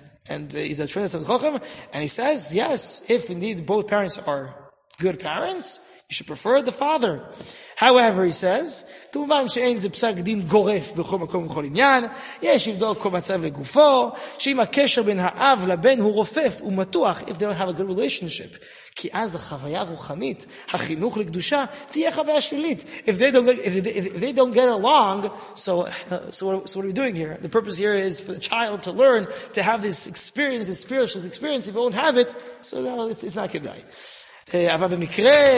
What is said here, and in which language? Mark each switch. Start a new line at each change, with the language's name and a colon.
English: And he's a tremendous Talmid Chacham. And he says, yes, if indeed both parents are good parents, you should prefer the father. However, he says,
Hebrew: כמובן שאין זה פסק דין גורף בכל מקום ובכל עניין, יש לבדוק כל מצב לגופו, שאם הקשר בין האב לבן הוא רופף ומתוח,
English: if they don't have a good relationship,
Hebrew: כי אז החוויה הרוחנית, החינוך לקדושה, תהיה חוויה שלילית.
English: If they don't get along, so what are we doing here? The purpose here is for the child to learn, to have this experience, this spiritual experience, if they don't have it, so no, it's not
Hebrew: כדאי. אבל במקרה...